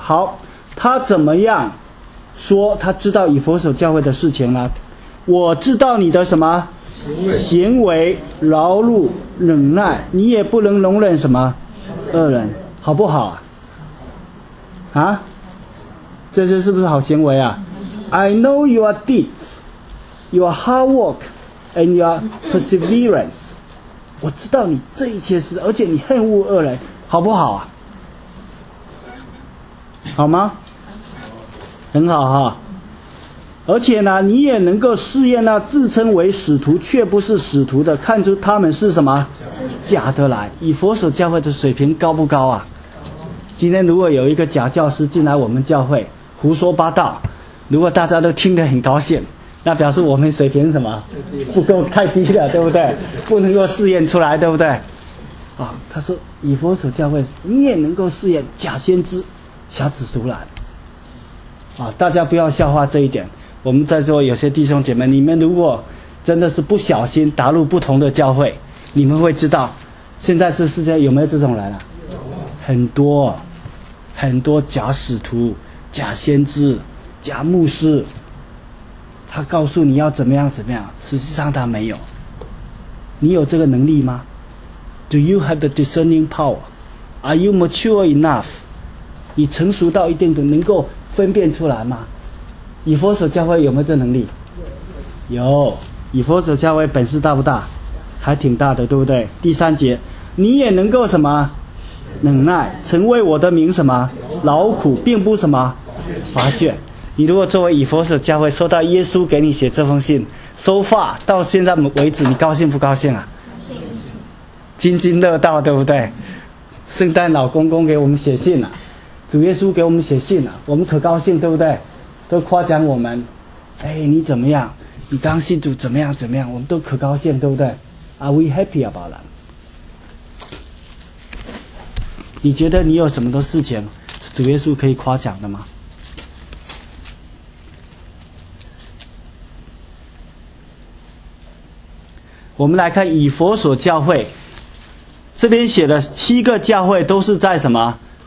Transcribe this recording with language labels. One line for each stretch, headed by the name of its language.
Chinese: 好，他怎么样说他知道以弗所教会的事情呢？我知道你的什么行为，劳碌忍耐，你也不能容忍什么恶人，好不好啊？啊，这些是不是好行为啊？
English: I know your deeds, your hard work and your perseverance.
Chinese: 我知道你这一切事，而且你恨恶恶人，好不好啊？好吗？很好哈。而且呢，你也能够试验那自称为使徒却不是使徒的，看出他们是什么假的来。以弗所教会的水平高不高啊？今天如果有一个假教师进来我们教会胡说八道，如果大家都听得很高兴，那表示我们水平什么不够，太低了，对不对？不能够试验出来，对不对？啊，他说以弗所教会你也能够试验假先知瞎子熟懒啊，大家不要笑话这一点。我们在座有些弟兄姐妹，你们如果真的是不小心打入不同的教会，你们会知道现在这世界有没有这种人啊？很多很多假使徒、假先知、假牧师，他告诉你要怎么样怎么样，实际上他没有。你有这个能力吗？
English: Do you have the discerning power? Are you mature enough?
Chinese: 你成熟到一定的能够分辨出来吗？以弗所教会有没有这能力？有。以弗所教会本事大不大？还挺大的，对不对？第三节，你也能够什么忍耐，成为我的名什么劳苦，并不什么乏倦。你如果作为以弗所教会收到耶稣给你写这封信，收发到现在为止，你高兴不高兴啊？津津乐道，对不对？圣诞老公公给我们写信了、主耶稣给我们写信了、我们可高兴，对不对？都夸奖我们，哎，你怎么样？你刚信主怎么样？怎么样？我们都可高兴，对不对 ？
English: Are we happy about that？
Chinese: 你觉得你有什么的事情是主耶稣可以夸奖的吗？我们来看以弗所教会，这边写的七个教会都是在什么？